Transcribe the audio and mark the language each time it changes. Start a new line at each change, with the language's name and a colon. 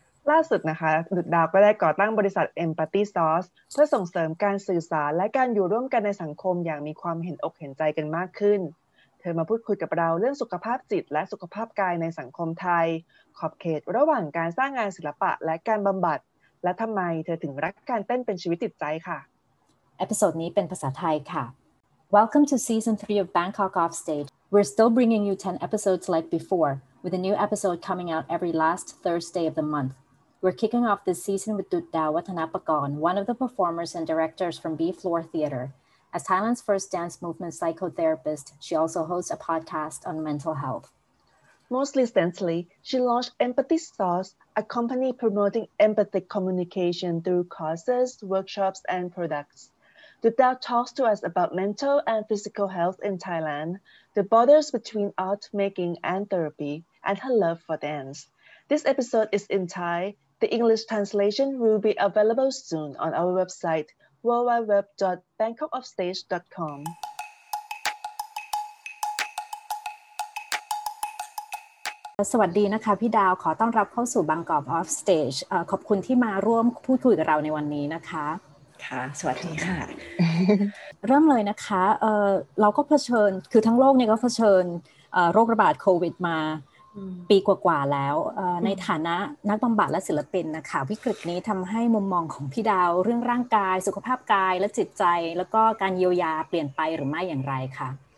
Thai: ล่าสุดนะคะดุจดาวก็ได้ก่อตั้งบริษัท Empathy Source เพื่อส่งเสริมการสื่อสารและการอยู่ร่วมกันในสังคมอย่างมีความเห็นอกเห็นใจกันมากขึ้นเธอมาพูดคุยกับเราเรื่องสุขภาพจิตและสุขภาพกายในสังคมไทยขอบเขตระหว่างการสร้างงานศิลปะและการบำบัดและทำไมเธอถึงรักการเต้นเป็นชีวิตจิตใจค่ะ เอพิโซดนี้เป็นภาษาไทยค่ะ
English: Welcome to Season 3 of Bangkok Off Stage. We're still bringing you 10 episodes like before with a new episode coming out every last Thursday of the monthWe're kicking off this season with Dut Dao Wattanapakorn, one of the performers and directors from B-Floor Theatre. As Thailand's first dance movement psychotherapist, she also hosts a podcast on mental health. Most recently, she launched Empathy Source, a company promoting empathic communication through courses, workshops, and products. Dut Dao talks to us about mental and physical health in Thailand, the borders between art making and therapy, and her love for dance. This episode is in Thai,The English translation will be available soon on our website, www.bangkokoffstage.com.
Thai: สวัสดีนะคะพี่ดาวขอต้อนรับเข้าสู่ Bangkok Off Stage. ขอบคุณที่มาร่วมพูดคุยกับเราในวันนี้นะคะ ค่ะสวัสดีค่ะ เริ่มเลยนะคะ เราก็เผชิญคือทั้งโลกเนี่ยก็เผชิญโรคระบาดโควิดมาปีกว่าๆแล้วในฐานะนักบำบัดและศิลปินนะคะวิกฤตนี้ทำให้มุมมองของพี่ดาวเรื่องร่างกายสุขภาพกายและจิตใจแล้วก็การเยียวยาเปลี่ยนไปหรือไม่อย่างไรคะ